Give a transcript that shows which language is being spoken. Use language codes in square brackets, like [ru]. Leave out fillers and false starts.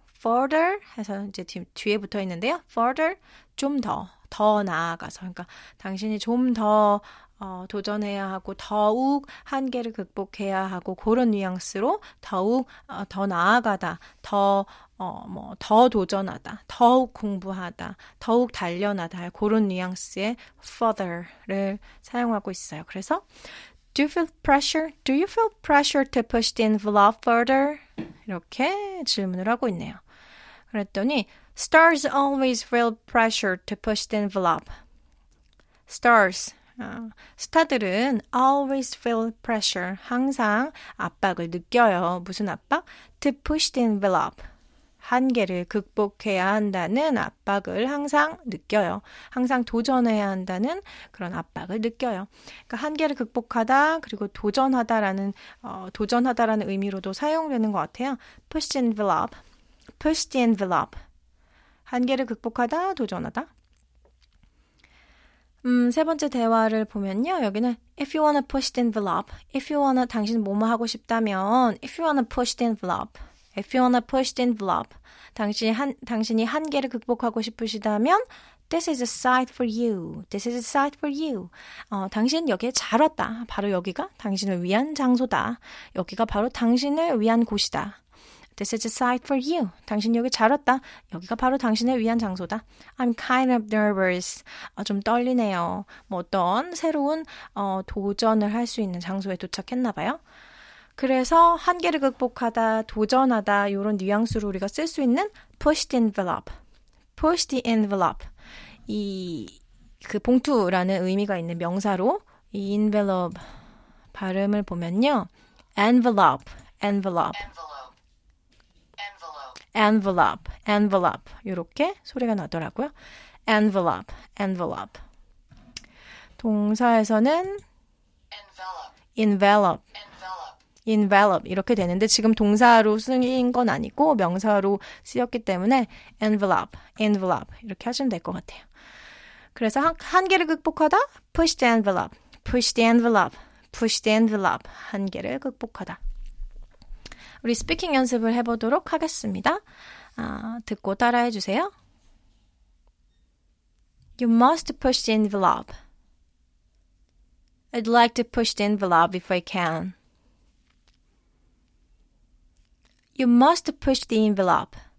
[ko] further 해서 이제 뒤에 붙어 있는데요. further 좀 더 나아가서 그러니까 당신이 좀 더 도전해야 하고 더욱 한계를 극복해야 하고 그런 뉘앙스로 더욱 더 나아가다 더 도전하다 더욱 공부하다 더욱 단련하다 그런 뉘앙스의 further를 사용하고 있어요. [en] 그래서 Do you feel pressure to push the envelope further? [ko] 이렇게 질문을 하고 있네요. 그랬더니 [en] Stars always feel pressure to push the envelope. [ko] Stars 스타들은 [en] always feel pressure [ko] 항상 압박을 느껴요. 무슨 압박? [en] To push the envelope [ko] 한계를 극복해야 한다는 압박을 항상 느껴요. 항상 도전해야 한다는 그런 압박을 느껴요. 그러니까 한계를 극복하다 그리고 도전하다라는 도전하다라는 의미로도 사용되는 것 같아요. [en] Push the envelope. Push the envelope. [ko] 한계를 극복하다 도전하다. 세 번째 대화를 보면요. [en] 여기는 If you want to push the envelope, if you want to, [ko] 당신 뭐뭐 하고 싶다면 [en] If you want to push the envelope, if you want to push the envelope, [ko] 당신이 한계를 극복하고 싶으시다면 [en] This is a site for you. This is a site for you. [ko] 당신 여기에 잘 왔다. 바로 여기가 당신을 위한 장소다. 여기가 바로 당신을 위한 곳이다. [en] This is a site for you. [ko] 당신 여기 잘 왔다. 여기가 바로 당신을 위한 장소다. [en] I'm kind of nervous. [ko] 좀 떨리네요. 뭐 어떤 새로운 도전을 할 수 있는 장소에 도착했나 봐요. 그래서 한계를 극복하다, 도전하다 이런 뉘앙스로 우리가 쓸 수 있는 [en] push the envelope. Push the envelope. [ko] 이 그 봉투라는 의미가 있는 명사로 이 envelope 발음을 보면요. [en] envelope, envelope. envelope, envelope. [ko] 이렇게 소리가 나더라고요. [en] envelope, envelope. [ko] 동사에서는 envelope, envelope 이렇게 되는데 지금 동사로 쓰인 건 아니고 명사로 쓰였기 때문에 envelope, envelope 이렇게 하시면 될 것 같아요. 그래서 한계를 극복하다, [en] push the envelope, push the envelope, [ko] push the envelope, 한계를 극복하다. 우리 스피킹 연습을 해보도록 하겠습니다. 아, 듣고 따라해 주세요. [en] You must push the envelope. I'd like to push the envelope if I can. You must push the envelope.